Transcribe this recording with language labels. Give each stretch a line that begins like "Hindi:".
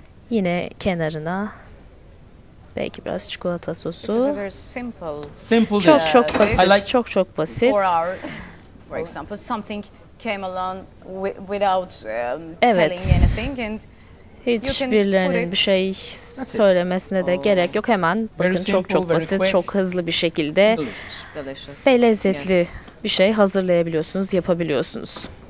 Turkish: Yine kenarına belki biraz çikolata sosu.
English: Simple.
Turkish: Çok çok basit.
English: I like
Turkish: çok çok basit.
English: For example, something came along without telling anything and
Turkish: hiç birilerinin bir şey söylemesine de gerek yok. Hemen bakın çok çok basit, çok hızlı bir şekilde ve lezzetli bir şey hazırlayabiliyorsunuz, yapabiliyorsunuz.